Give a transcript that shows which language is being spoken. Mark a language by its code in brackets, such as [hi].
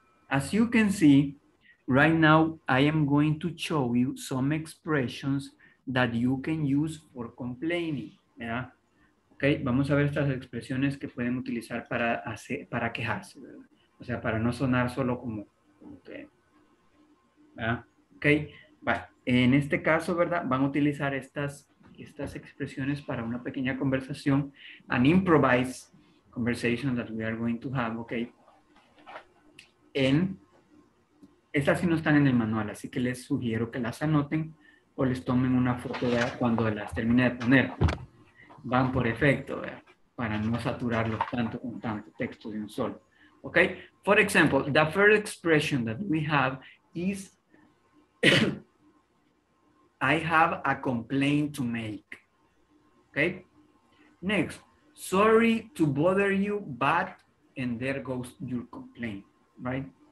[en] As you can see, right now, I am going to show you some expressions that you can use for complaining, ¿verdad? [es] Okay, vamos a ver estas expresiones que pueden utilizar para hacer, para quejarse, ¿verdad? O sea, para no sonar solo como que, ¿verdad? Okay, bueno, en este caso, ¿verdad? Van a utilizar estas expresiones para una pequeña conversación, [en] an improvised conversation that we are going to have, [es] okay? En estas sí no están en el manual, así que les sugiero que las anoten o les tomen una foto de cuando las termine de poner. Van por efecto, ¿verdad? Para no saturarlos tanto con tanto texto de un solo. Okay. [en] For example, the first expression that we have is I have a complaint to make. Okay. Next, sorry to bother you, but, and there goes your complaint, right?